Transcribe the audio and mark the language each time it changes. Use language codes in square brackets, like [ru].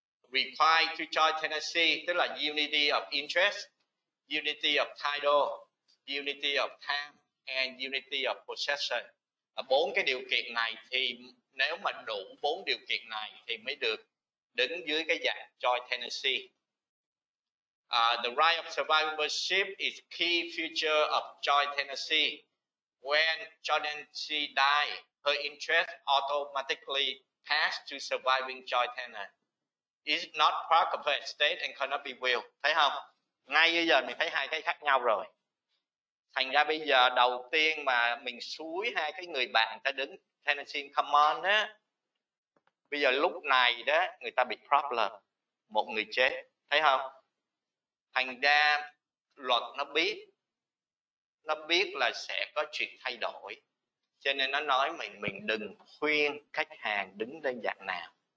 [en] Required to joint tenancy, [vi] tức là [en] unity of interest, unity of title, unity of time and unity of possession. [vi] Bốn cái điều kiện này thì nếu mà đủ bốn điều kiện này thì mới được đứng dưới cái dạng joint tenancy. [en] The right of survivorship is key feature of joint tenancy. When joint tenancy die, her interest automatically pass to surviving joint tenant. It's not part of her estate and cannot be willed. [vi] Thấy không? Ngay bây giờ mình thấy hai cái khác nhau rồi. Thành ra bây giờ đầu tiên mà mình xúi hai cái người bạn ta đứng tenancy in common á, bây giờ lúc này đó người ta bị problem, một người chết, thấy không? Thành ra luật nó biết là sẽ có chuyện thay đổi, cho nên nó nói mình đừng khuyên khách hàng đứng lên dạng nào.